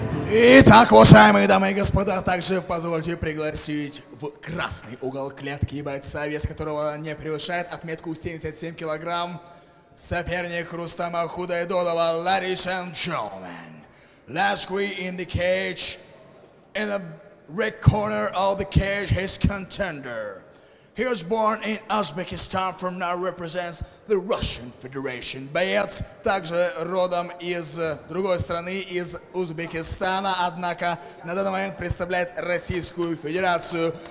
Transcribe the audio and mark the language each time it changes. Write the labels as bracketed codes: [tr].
[ru] Итак, уважаемые дамы и господа, также позвольте пригласить в красный угол клетки бойца, вес которого не превышает отметку 77 килограмм, соперник Рустама Худайдонова. [en] Ladies and gentlemen, last week in the cage, in the red corner of the cage, his contender. He was born in Uzbekistan, from now represents the Russian Federation. [ru] Боец также родом из другой страны, из Узбекистана, однако на данный момент представляет Российскую Федерацию.